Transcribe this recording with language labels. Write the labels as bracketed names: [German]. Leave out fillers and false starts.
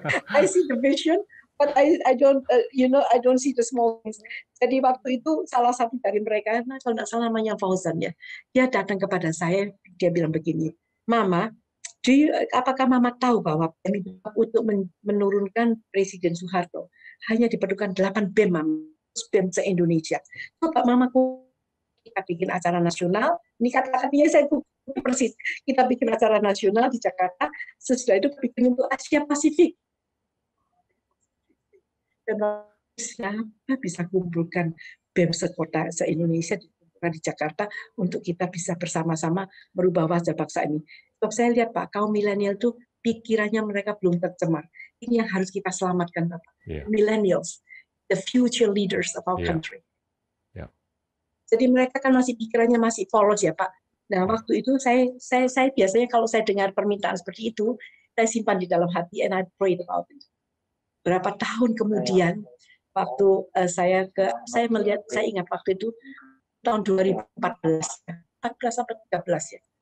[English] I see the vision, but I don't see the small things. [Indonesian] Jadi waktu itu salah satu dari mereka, nah kalau tidak salah namanya Fauzan ya, dia datang kepada saya, dia bilang begini, Mama, apakah Mama tahu bahwa untuk menurunkan Presiden Soeharto hanya diperlukan 8 BEM, BEM se-Indonesia. Coba Mama, kita bikin acara nasional, ini kata-katanya saya persis, kita bikin acara nasional di Jakarta, sesudah itu bikin untuk Asia Pasifik. Dan siapa bisa kumpulkan BEM sekota se-Indonesia di Jakarta untuk kita bisa bersama-sama merubah wajah bangsa ini. Sebab saya lihat Pak, kaum milenial itu pikirannya mereka belum tercemar. Ini yang harus kita selamatkan, Bapak. Yeah. [English] Millennials, the future leaders of our country. Yeah. Yeah. [Indonesian] Jadi mereka kan masih pikirannya masih polos ya, Pak. Nah, waktu itu saya biasanya kalau saya dengar permintaan seperti itu, saya simpan di dalam hati [English] and I prayed about it. [Indonesian] Berapa tahun kemudian waktu saya ingat waktu itu tahun 2014, 14 sampai 13 ya.